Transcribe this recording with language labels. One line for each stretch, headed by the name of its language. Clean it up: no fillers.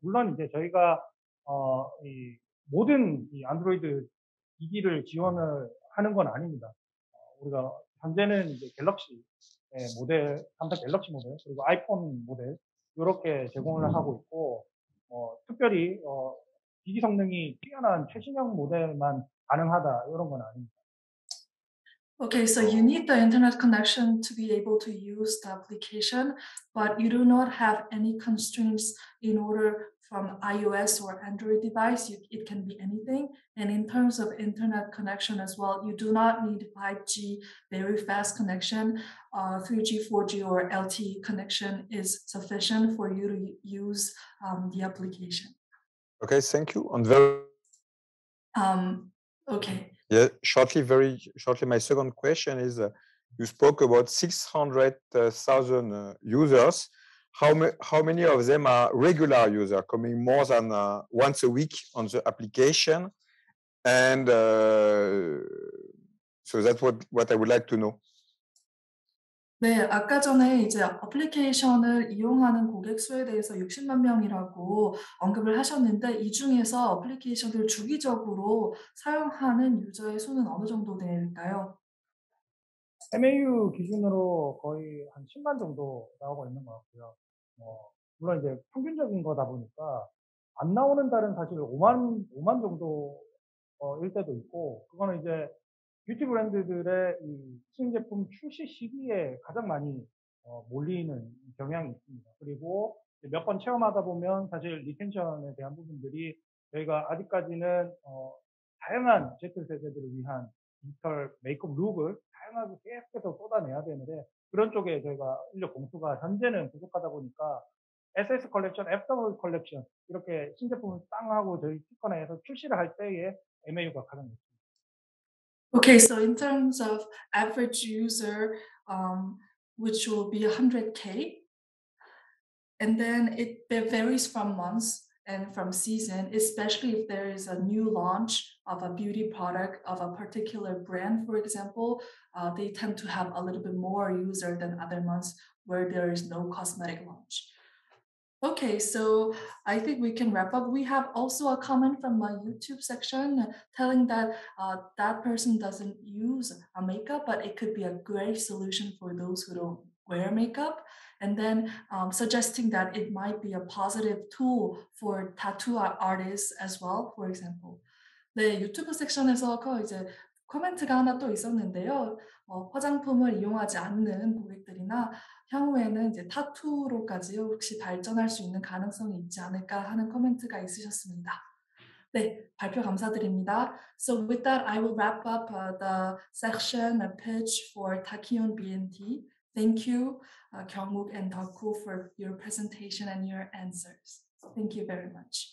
Korean: 물론 이제 저희가 이 모든 이 안드로이드 기기를 지원을 하는 건 아닙니다. 우리가 현재는 이제 갤럭시 모델, 삼성 갤럭시 모델, 그리고 아이폰 모델 이렇게 제공을 하고 있고, 특별히 기기 성능이 뛰어난 최신형 모델만 가능하다 이런 건 아닙니다.
English: Okay, so you need the internet connection to be able to use the application, but you do not have any constraints in order. From iOS or Android device, it can be anything. And in terms of internet connection as well, you do not need 5G, very fast connection. 3G, 4G, or LTE connection is sufficient for you to use the application. Okay, thank you. And very. Okay. Yeah, shortly, very shortly. My second question is, you spoke about 600,000 users. How many of them are regular users coming more than once a week on the application? And so that's what I would like to know.
Korean: 네, 아까 전에 이제 어플리케이션을 이용하는 고객 수에 대해서 60만 명이라고 언급을 하셨는데 이 중에서 어플리케이션을 주기적으로 사용하는 유저의 수는 어느 정도 될까요? MAU 기준으로 거의 한 10만 정도 나오고 있는 것 같고요. 물론 이제 평균적인 거다 보니까 안 나오는 달은 사실 5만 정도 일 때도 있고 그거는 이제 뷰티 브랜드들의 이 신제품 출시 시기에 가장 많이 몰리는 경향이 있습니다. 그리고 몇 번 체험하다 보면 사실 리텐션에 대한 부분들이 저희가 아직까지는 다양한 Z세대들을 위한 디지털 메이크업 룩을 다양하게 계속해서 쏟아내야 되는데 그런 쪽에 저희가 인력 공수가 현재는 부족하다 보니까 SS 컬렉션, FW 컬렉션 이렇게 신제품을 땅 하고 저희 티커 내에서 출시를 할 때에 MAU가 가장 높습니다.
English: Okay, so in terms of average user, which will be 100K, and then it varies from months and from season, especially if there is a new launch of a beauty product of a particular brand, for example, they tend to have a little bit more user than other months where there is no cosmetic launch. Okay, so I think we can wrap up. We have also a comment from my YouTube section telling that that person doesn't use a makeup, but it could be a great solution for those who don't wear makeup. And then suggesting that it might be a positive tool for tattoo artists as well, for example.
Korean: 네, 유튜브 섹션에서 이제 코멘트가 하나 또 있었는데요. 화장품을 이용하지 않는 고객들이나 향후에는 이제 타투로까지 혹시 발전할 수 있는 가능성이 있지 않을까 하는 코멘트가 있으셨습니다. 네, 발표 감사드립니다.
English: So with that, I will wrap up the section, a pitch for Tachyon B&T. Thank you, Kyungwook and Daku, for your presentation and your answers. Thank you very much.